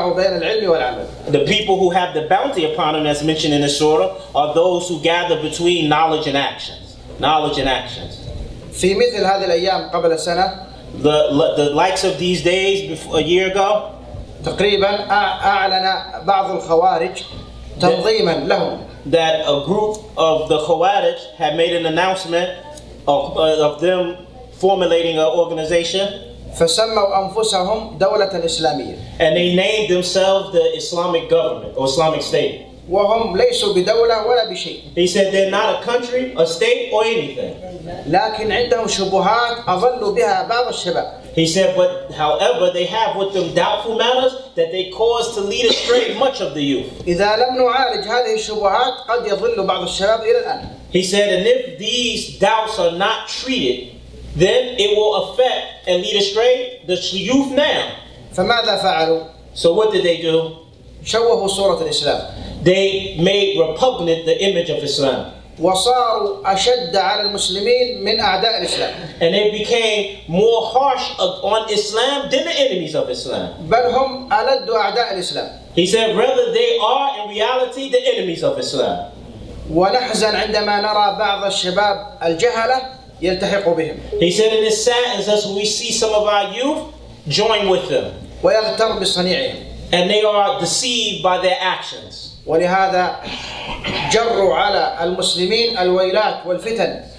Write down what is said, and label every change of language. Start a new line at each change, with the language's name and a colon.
English: The people who have the bounty upon them, as mentioned in this surah, are those who gather between knowledge and actions. Knowledge and actions.
Arabic: في مثل هذه الأيام قبل سنة.
English: The likes of these days before a year ago,
Arabic: تقريبا أعلن بعض الخوارج تنظيما لهم
English: that a group of the Khawarij had made an announcement of them formulating an organization.
Arabic: فسموا أنفسهم دولة إسلامية
English: and they named themselves the Islamic government or Islamic state.
Arabic: وهم ليسوا بدولة ولا بشيء.
English: He said they're not a country, a state, or anything.
Arabic: لكن عندهم شبهات أظلوا بها بعض الشباب.
English: He said, but however, they have with them doubtful matters that they cause to lead astray much of the youth.
Arabic: إذا لم نعالج هذه الشبهات قد يظل بعض الشباب إلى الآن.
English: He said, and if these doubts are not treated, then it will affect and lead astray the youth now.
Arabic: فماذا فعلوا؟
English: So what did they do?
Arabic: شوهوا صورة الإسلام.
English: They made repugnant the image of Islam.
Arabic: وصاروا أشد على المسلمين من أعداء الإسلام.
English: And they became more harsh on Islam than the enemies of Islam.
Arabic: بل هم ألد أعداء الإسلام.
English: He said, rather they are in reality the enemies of Islam.
Arabic: ونحزن عندما نرى بعض الشباب الجهلة يلتحق بهم.
English: He said, and it saddens us when we see some of our youth join with them.
Arabic: ويغتر بصنيعهم.
English: And they are deceived by their actions.
Arabic: ولهذا جروا على المسلمين الويلات والفتن.